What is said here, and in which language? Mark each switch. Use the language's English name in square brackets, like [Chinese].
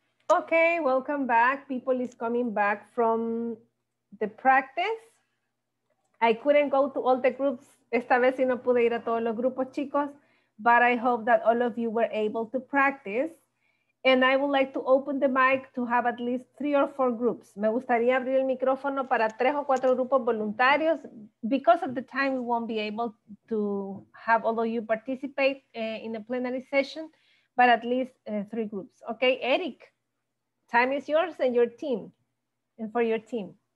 [English] Okay, welcome back. People is coming back from the practice. I couldn't go to all the groups. [Spanish] Esta vez sí no pude ir a todos los grupos, chicos, [English] but I hope that all of you were able to practice. And I would like to open the mic to have at least 3 or 4 groups. [Spanish] Me gustaría abrir el micrófono para 3 o 4 grupos voluntarios. [English] Because of the time, we won't be able to have all of you participate in a plenary session, but at least 3 groups. Okay, Eric, time is yours and your team, and for your team.